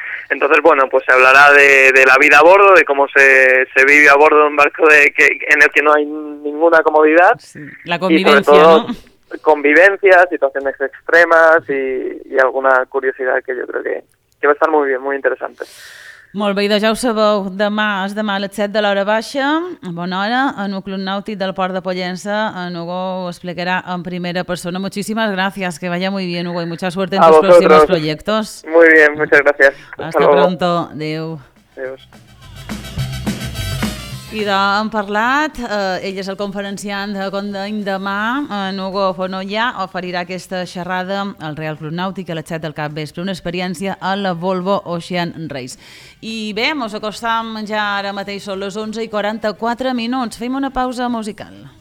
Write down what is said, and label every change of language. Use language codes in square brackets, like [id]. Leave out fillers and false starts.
[es] Entonces, bueno, pues se hablará de la vida a bordo, de cómo se vive a bordo de un barco en el que no hay ninguna comodidad. Sí, la convivencia, y sobre todo, ¿no? Convivencia, situaciones extremas y alguna curiosidad que yo creo que va a estar muy bien, muy interesante. [ca] Molt bé, i ja ho sabeu, demà és demà a les 7 de l'hora baixa, bona hora, en un club nàutic del Port de Pollença, en Hugo ho explicarà en primera persona. Moltíssimes gràcies, [es] que vaya muy bien, Hugo, i mucha suerte en tus próximos proyectos. Muy bien, muchas gracias. Hasta pronto, adéu. Adiós. [ca] I d'on parlat, ell és el conferenciant demà, en Hugo Fonolla, oferirà aquesta xerrada al Real Club Nàutic a les 7 del cap vespre, una experiència a la Volvo Ocean Race. I bé, mos acostam ja ara mateix, són les 11:44, fem una pausa musical.